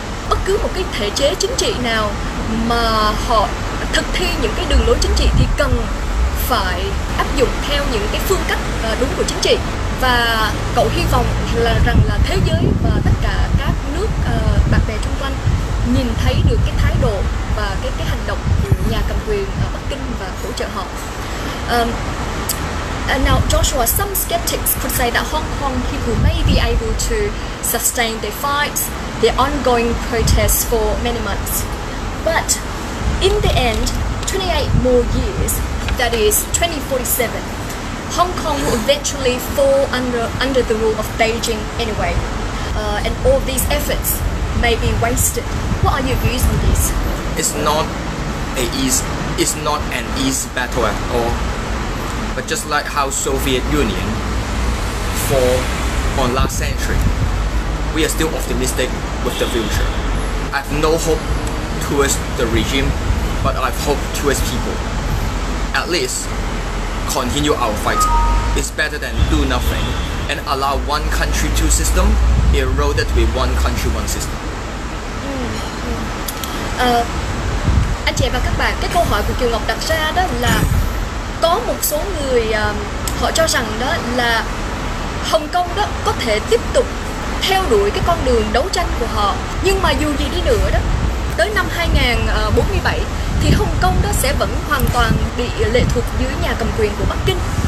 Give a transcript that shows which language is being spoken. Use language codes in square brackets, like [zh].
[vi] bất cứ một cái thể chế chính trị nào mà họ thực thi những cái đường lối chính trị thì cần phải áp dụng theo những cái phương cách đúng của chính trị, và cậu hy vọng là rằng là thế giới và tất cả các nước bạn bè xung quanh nhìn thấy được cái thái độ và cái hành động của nhà cầm quyền ở Bắc Kinh và hỗ trợ họ. [en] Now, Joshua, some skeptics could say that Hong Kong people may be able to sustain their fights, their ongoing protests for many months. But in the end, 28 more years, that is 2047, Hong Kong will eventually fall under the rule of Beijing anyway. And all these efforts may be wasted. What are your views on this? It's not an easy battle at all. But just like how Soviet Union fall on last century, we are still optimistic with the future. I have no hope towards the regime, but I have hope towards people. At least, continue our fight. It's better than do nothing and allow one country, two system eroded with one country, one system. [vi] Anh chị và các bạn, cái câu hỏi của Kiều Ngọc đặt ra đó là có một số người họ cho rằng đó là Hồng Kông đó có thể tiếp tục theo đuổi cái con đường đấu tranh của họ. Nhưng mà dù gì đi nữa đó, tới năm 2047 thì Hồng Kông đó sẽ vẫn hoàn toàn bị lệ thuộc dưới nhà cầm quyền của Bắc Kinh.